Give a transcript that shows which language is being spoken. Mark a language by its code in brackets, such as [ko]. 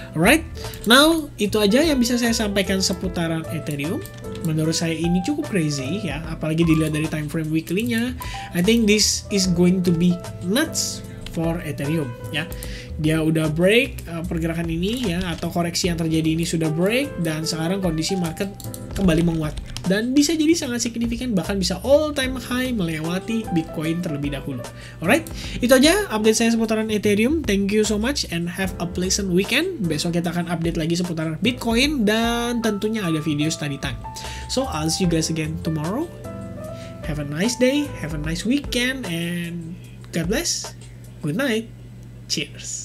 [en] Alright, now [id] itu aja yang bisa saya sampaikan seputaran Ethereum. Menurut saya ini cukup crazy ya, apalagi dilihat dari time frame weekly-nya. [en] I think this is going to be nuts for Ethereum [id] ya. Dia udah break pergerakan ini ya, atau koreksi yang terjadi ini sudah break, dan sekarang kondisi market kembali menguat dan bisa jadi sangat signifikan, bahkan bisa all time high melewati Bitcoin terlebih dahulu. [en] Alright, [id] itu aja update saya seputaran Ethereum. [en] Thank you so much and have a pleasant weekend. [id] Besok kita akan update lagi seputaran Bitcoin dan tentunya ada video study time. [en] So I'll see you guys again tomorrow. Have a nice day, have a nice weekend, and God bless. Good night. Cheers.